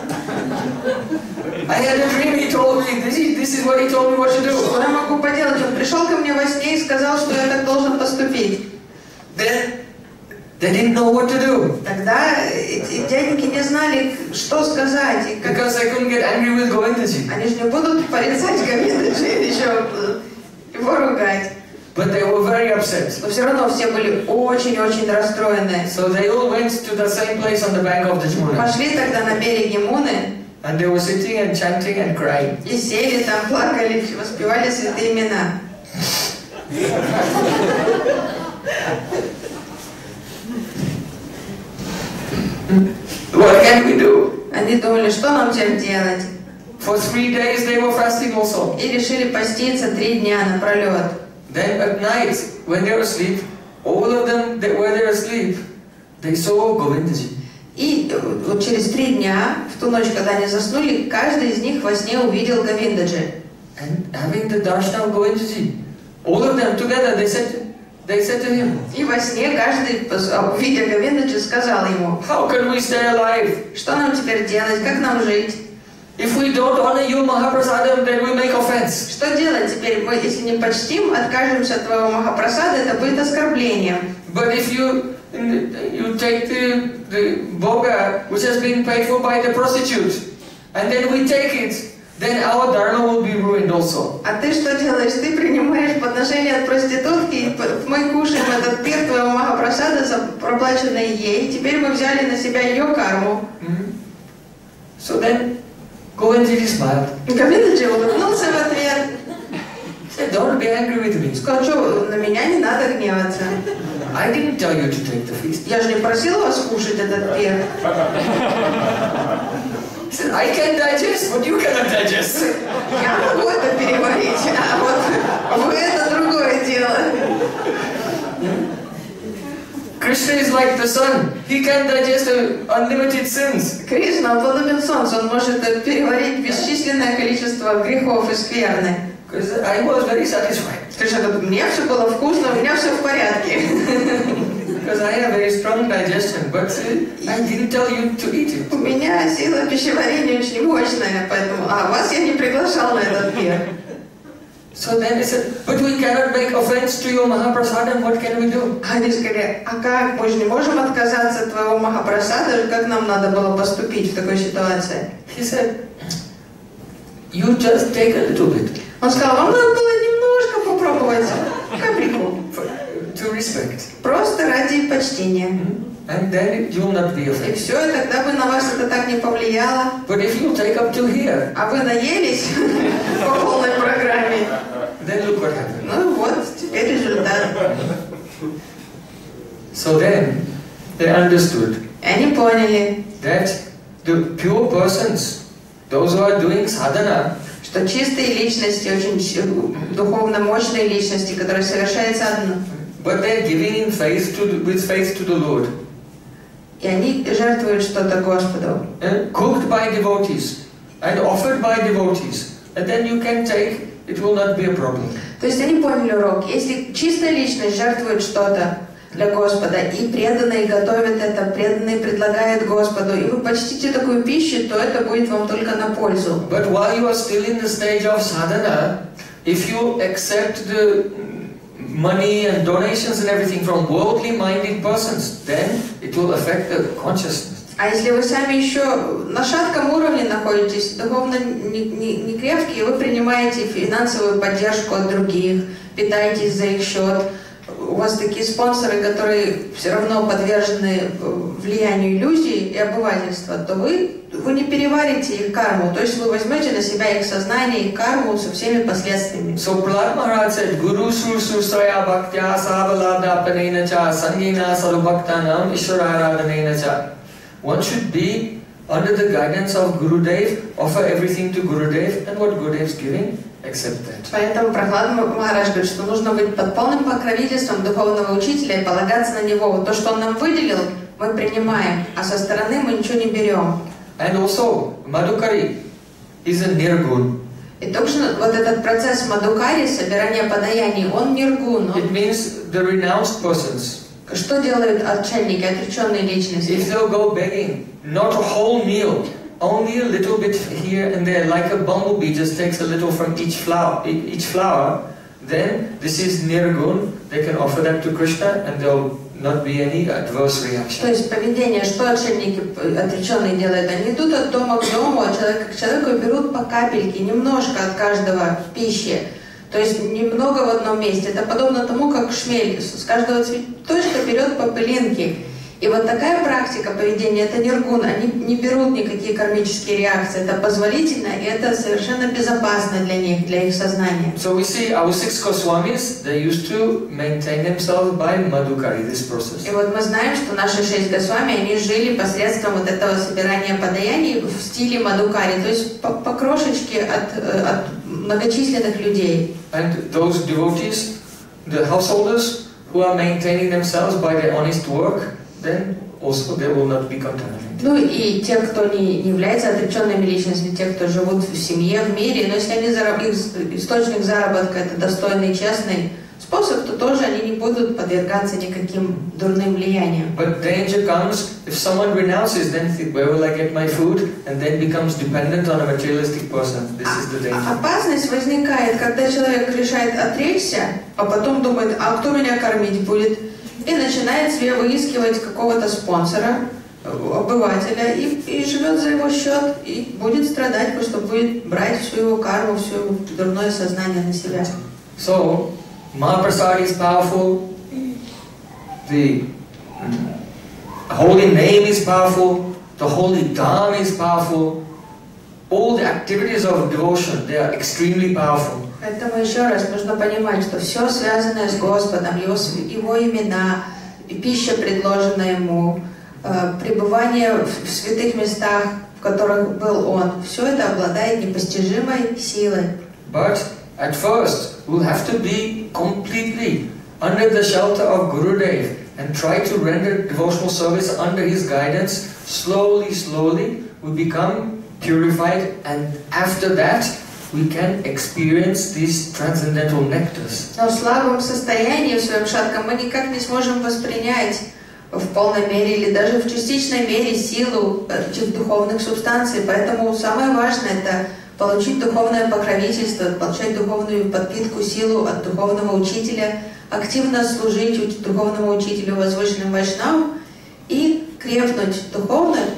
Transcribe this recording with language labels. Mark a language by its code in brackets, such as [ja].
[en] I had a dream, he told me, this is what he told me what to do. [ru] Что я могу поделать? Он пришел ко мне во сне и сказал, что я так должен поступить. [en] They didn't know what to do. [ru] Тогда дяденьки не знали, что сказать. [en] Because I couldn't get angry with Govindaji. [ru] Они же не будут порицать Говиндаджи или еще его ругать. [en] But they were very upset. [ru] Но все равно все были очень-очень расстроены. [en] So they all went to the same place on the bank of the Jamuna. [ru] Пошли тогда на берег Ямуны. [en] And they were sitting and chanting and crying. [ru] И сели там, плакали, воспевали святые имена. [en] What can we do? [ru] Они думали, что нам теперь делать? [en] For 3 days they were fasting also. [ru] И решили поститься 3 дня напролет. [en] Then at night, when they were asleep, all of them that were there asleep, they saw Govindaji. [ru] И вот через 3 дня, в ту ночь, когда они заснули, каждый из них во сне увидел Говиндаджи. [en] And having the darshan of Govindaji, all of them together, they said to him. [ru] И во сне каждый, увидев Говиндаджи, сказал ему. [en] How can we stay alive? [ru] Что нам теперь делать? Как нам жить? [en] If we don't honor you, Mahaprasadam, then we make offense. [ru] Что делать теперь? Мы, если не почтим, откажемся от твоего Махапрасада, это будет оскорблением. [en] But if you take the boga, which has been paid for by the prostitute, and then we take it, then our dharma will be ruined also. [ru] А ты что делаешь? Ты принимаешь подношение от проститутки, мы кушаем этот пир твоего Махапрасада, проплаченный ей, теперь мы взяли на себя ее карму. [en] So then, Govindaji smiled. [ru] Govindaji улыбнулся в ответ. [en] Don't be angry with me. [ru] Скажу, на меня не надо гневаться. [en] I didn't tell you to take the feast. [ru] Я же не просил вас кушать этот пир. [en] I can digest what you cannot digest. [ru] Я могу это переварить, а вот вы это другое дело. [en] Krishna is like the sun. He can digest unlimited sins. [ru] Krishna подобен солнцу. Он может переварить бесчисленное количество грехов и скверны. [en] Because I was very satisfied. [ru] Мне все было вкусно, у меня все в порядке. [en] Because I have very strong digestion, but I didn't tell you to eat it. [ru] У меня сила пищеварения очень мощная, поэтому вас я не приглашал на этот пир. [en] So then he said, but we cannot make offense to your Mahaprasadam, what can we do? [ru] Они сказали, а как, мы же не можем отказаться от твоего Махапрасада, как нам надо было поступить в такой ситуации? [en] He said, you just take a little bit. [ru] Он сказал, вам надо было немножко попробовать, капельку. [en] To respect. [ru] Просто ради почтения. [en] And then you will not be offended. [ru] И все, и тогда бы на вас это так не повлияло. [en] But if you take up till here. [ru] А вы наелись по полной программе. [en] Then look what happened. [ru] Ну вот, теперь результат. [en] So then, they understood. [ru] Они поняли. [en] That the pure persons, those who are doing sadhana, [ru] что чистые личности, очень духовно мощные личности, которые совершают садхану. [en] But they are giving in faith to the, with faith to the Lord. [ru] И они жертвуют что-то Господу. [en] And cooked by devotees and offered by devotees, and then you can take it will not be a problem. [ru] То есть они поняли урок. Если чистая личность жертвует что-то для Господа и преданные готовят это, преданные предлагают Господу, и вы почтите такую пищу, то это будет вам только на пользу. [en] But while you are still in the stage of sadhana, if you accept the money and donations and everything from worldly-minded persons, then it will affect the consciousness. [ru] А если вы сами еще на шатком уровне находитесь, духовно не крепкие, вы принимаете финансовую поддержку от других, питаетесь за их счет. У вас такие спонсоры, которые все равно подвержены влиянию иллюзий и обывательства, то вы не переварите их карму, то есть вы возьмете на себя их сознание, их карму со всеми последствиями. [en] So Prahlad Maharaj said, [sa] Guru Sursusraya Bhaktya Savalada Panenacha Sangina Sarubhaktanam Ishwararadhanenacha. [en] One should be under the guidance of Gurudev, offer everything to Gurudev, and what Gurudev is giving, accept that. [ru] Поэтому Прахлад Махарадж говорит, что нужно быть под полным покровительством духовного учителя и полагаться на него. То, что он нам выделил, мы принимаем, а со стороны мы ничего не берем. [en] And also, Madhukari is a nirgun. [ru] И также вот этот процесс Madhukari, собирания подаяний, он нирgun. [en] It means the renounced persons. [ru] Что делают отчельники, отреченные личности? [en] If they'll go begging, not a whole meal, only a little bit here and there, like a bumblebee just takes a little from each flower, then this is nirgun. They can offer that to Krishna and they'll not be any adverse reaction. [ru] То есть поведение, что отшельники, отреченные делают, они идут от дома к дому, человеку берут по капельке, немножко от каждого пищи. То есть немного в одном месте. Это подобно тому, как шмель с каждого цветочка берет по пылинке. И вот такая практика поведения, это ниргун, они не берут никакие кармические реакции. Это позволительно и это совершенно безопасно для них, для их сознания. [en] So we see our six Goswamis, they used to maintain themselves by Madhukari, this process. [ru] И вот мы знаем, что наши шесть Госвами, они жили посредством вот этого собирания подаяний в стиле Madhukari, то есть по крошечке от многочисленных людей. [en] And those devotees, the householders, who are maintaining themselves by their honest work, then also they will not be contaminated. [ru] Ну и те, кто не является отреченными личностями, те, кто живут в семье, в мире, но если они источник заработка это достойный, честный способ, то тоже они не будут подвергаться никаким дурным влияниям. [en] But danger comes if someone renounces, then where will I get my food, and then becomes dependent on a materialistic person. This is the danger. [ru] Опасность возникает, когда человек решает отречься, а потом думает, а кто меня кормить будет? И начинает себе выискивать какого-то спонсора, обывателя, и живет за его счет, и будет страдать, потому что будет брать всю его карму, все дурное сознание на себя. [en] So, Mahaprasad is powerful, the holy name is powerful, the holy dharma is powerful, all the activities of devotion, they are extremely powerful. [ru] Поэтому еще раз нужно понимать, что все связанное с Господом, его имена, пища, предложенная ему, пребывание в святых местах, в которых был он, все это обладает непостижимой силой. [en] But at first we'll have to be completely under the shelter of Gurudev and try to render devotional service under his guidance. Slowly, slowly we become purified, and after that we can experience these transcendental nectars. [ru] Но в слабом состоянии, в своем шатком, мы никак не сможем воспринять в полной мере или даже в частичной мере силу этих духовных субстанций. Поэтому самое важное — это получить духовное покровительство, получать духовную подпитку, силу от духовного учителя, активно служить духовному учителю, возвышенным вайшнавам, и крепнуть духовно.